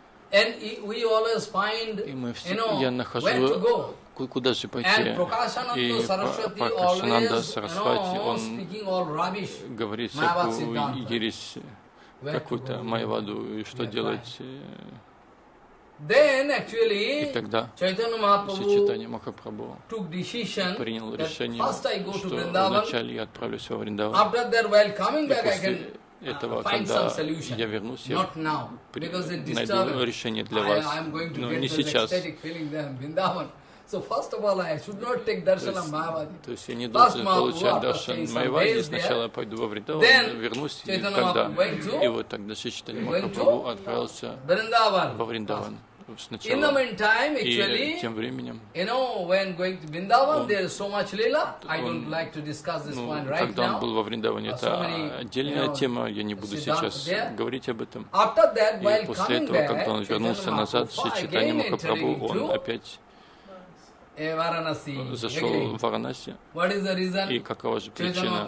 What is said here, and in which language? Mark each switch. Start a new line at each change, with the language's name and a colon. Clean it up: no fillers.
English: And we always find, you know, where to go. And Prakashananda Saraswati always, you know, speaking all rubbish.
Russian: Какую-то майваду и что делать.
English: Then actually, Chaitanya Mahaprabhu took decision.
Russian: Принял решение, что вначале я отправлюсь во Вриндаван.
English: After that, while coming back, I can.
Russian: Этого, когда я вернусь, я найду решение для вас, но не сейчас. То есть я не должен получать даршан Майявады, сначала я пойду во Вриндаван, вернусь, и тогда. И вот тогда Шри Чайтанья Махапрабху отправился во Вриндаван.
English: In the meantime, actually, you know, when going to Vrindavan, there is so much lila. I don't like to discuss this one right now.
Russian: Когда он был во Вриндаване, это отдельная тема. Я не буду сейчас говорить об этом.
English: After that, while coming back,
Russian: когда он вернулся назад, Шри Чайтанья Махапрабху, он опять зашел в Варанаси.
English: What is the reason?
Russian: И какова же причина?